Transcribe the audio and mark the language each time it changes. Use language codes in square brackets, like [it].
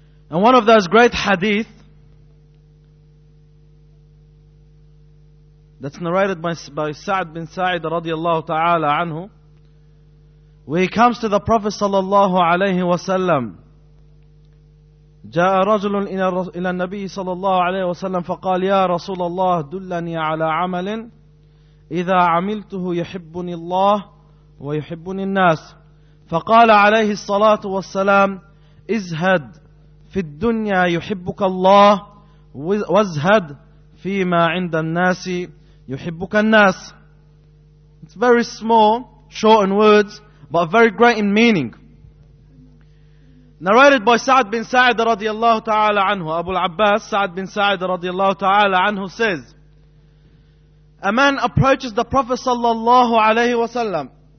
[en] And one of those great hadith that's narrated by Sa'd bin Sa'id radiallahu ta'ala anhu, where he comes to the Prophet sallallahu alayhi wa sallam. [ar] جاء رجل إلى النبي صلى الله عليه وسلم فقال يا رسول الله دلني على عمل إذا عملته يحبني الله ويحبني الناس. فقال عليه الصلاة والسلام ازهد في الدنيا يحبك الله وازهد فيما عند الناس يحبك الناس. [en] It's very small, short in words, but very great in meaning. Narrated by Sa'd bin Sa'id radiallahu ta'ala anhu, Abu al-Abbas, Sa'd bin Sa'id radiallahu ta'ala anhu says, a man approaches the Prophet sallallahu alayhi wa sallam